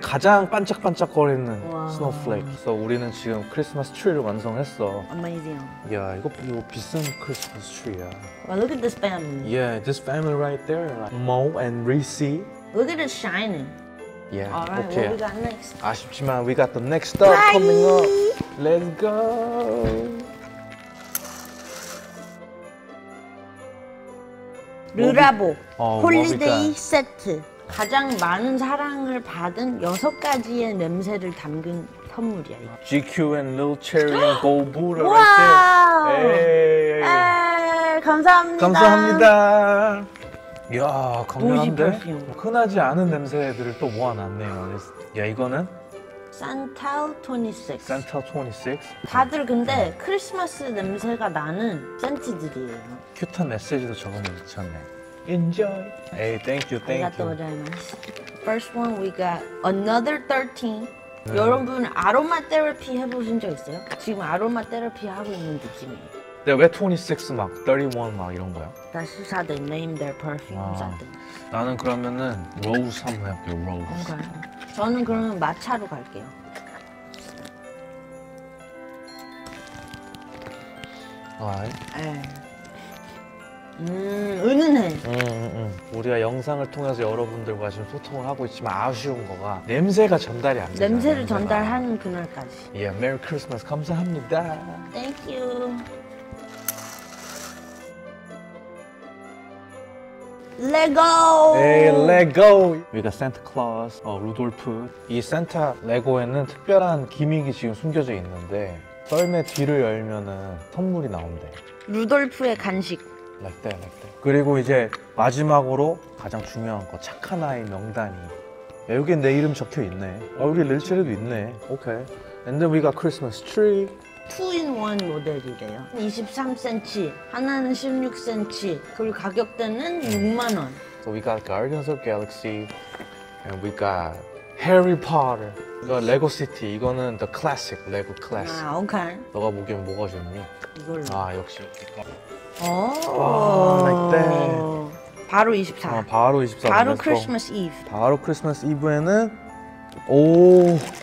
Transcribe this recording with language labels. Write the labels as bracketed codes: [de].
[ko] 가장 반짝반짝거리는 snowflake. [en] So [ko] 우리는 지금 크리스마스 트리를 완성했어. [en] Amazing. [ko] 야, 이거 비싼 크리스마스 트리야. [en] Well, look at this family. Yeah, this family right there. Mo and Reese. Look at it shining. Yeah. Alright, okay. What we got next? [ko] 아쉽지만 [en] we got the next stop coming up. Let's go. Lurabo, holiday set. [ko] 가장 많은 사랑을 받은 여섯 가지의 냄새를 담근 선물이야. [en] GQ and Lil Cherry and Gold Buddha. [ko] 와! 에이, 감사합니다. 감사합니다. 이야, 감사합니다. 흔하지 않은 냄새들을 또 모아놨네요. 야, 이거는? [en] Santal 26. Santal 26. [ko] 다들 근데 크리스마스 냄새가 나는 센트들이에요. 큐트한 메시지도 적으면 좋겠네. [en] Enjoy. Hey, thank you, thank you. [ko] 감사합니다. [en] First one, we got another 13. [ko] 여러분 아로마 테라피 해보신 적 있어요? 지금 아로마 테라피 하고 있는 느낌이에요. 근데 왜 26 막 31 막 이런 거야? 다 수사 [en] they name their perfume [ko] 나는 그러면은 로우스 한번 해볼게요. 로우스. 그러니까요. 저는 그러면 마차로 갈게요. 와이. 에. 은은해. 우리가 영상을 통해서 여러분들과 지금 소통을 하고 있지만 아쉬운 거가 냄새가 전달이 안 돼. 냄새를 전달하는 그날까지. 예, [en] yeah, Merry Christmas. [ko] 감사합니다. [en] Thank you. [ko] 레고! 에이, 레고! [en] We got Santa Claus, 루돌프. [ko] 이 산타 레고에는 특별한 기믹이 지금 숨겨져 있는데 썰매 뒤를 열면은 선물이 나온대. 루돌프의 간식. [en] Like that, like that. [ko] 그리고 이제 마지막으로 가장 중요한 거 착한 아이 명단이. 야, 여기 내 이름 적혀 있네. 우리 릴체리도 있네. 오케이. [en] Okay. And then we got Christmas tree. [ko] 2-in-1 모델이래요. 23cm, 하나는 16cm, 그리고 가격대는 6만원. [en] So we got Guardians of Galaxy, and we got Harry Potter. [ko] 이거 레고 시티, 이거는 [en] the classic, [ko] 레고 classic. 아, 오케이. 너가 보기엔 뭐가 좋니? 이걸로. 아, 역시. 오, [en] like that. [ko] 바로 24. 아, 바로 24. 바로 크리스마스 이브. 바로 크리스마스 이브에는, 오.